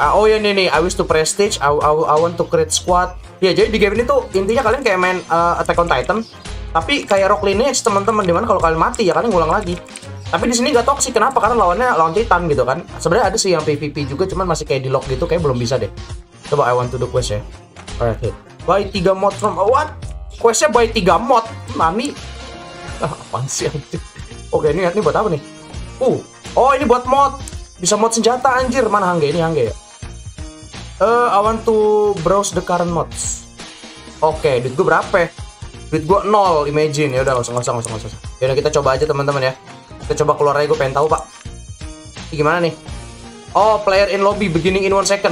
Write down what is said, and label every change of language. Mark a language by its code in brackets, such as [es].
[id] Oh iya nih. [en] I wish to prestige. I want to create squad. [id] Ya jadi di game ini tuh intinya kalian kayak main Attack on Titan. Tapi kayak Rock Lineage teman-teman, dimana kalau kalian mati ya kalian ngulang lagi. Tapi di sini nggak toksik, kenapa? Karena lawannya lawan Titan gitu kan. Sebenarnya ada sih yang PvP juga, cuman masih kayak di lock gitu, kayak belum bisa deh. [en] Coba I want to do quest ya. Alright, buy 3 mod from what? [id] Questnya [en] buy 3 mod, [id] mami. Apaan sih anjir? Oke, ini buat apa nih? Oh ini buat mod, bisa mod senjata anjir. Mana hangge ini hangge ya? [en] I want to browse the current mods. [id] Oke, duit gue berapa? Duit gue 0, imagine. Ya udah langsung. Ya udah kita coba aja teman-teman ya. Kita coba keluar aja, gue pengen tahu pak ini gimana nih. [en] Oh, player in lobby, beginning in 1 second.